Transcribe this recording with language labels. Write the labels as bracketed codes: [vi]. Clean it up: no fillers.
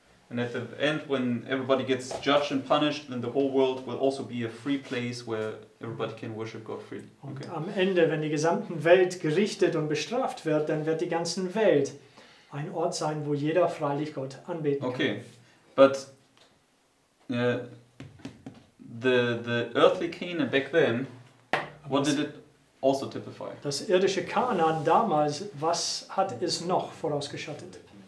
[en] And at the end, when everybody gets judged and punished, then the whole world will also be a free place where everybody can worship God freely. Okay. [de] Am Ende, wenn die gesamte Welt gerichtet und bestraft wird, dann wird die ganze Welt ein Ort sein, wo jeder freilich Gott anbeten kann. [en] Okay, but the earthly Canaan back then, what did it also typify? [de] Das irdische Kanaan damals, was hat es noch vorausgeschattet?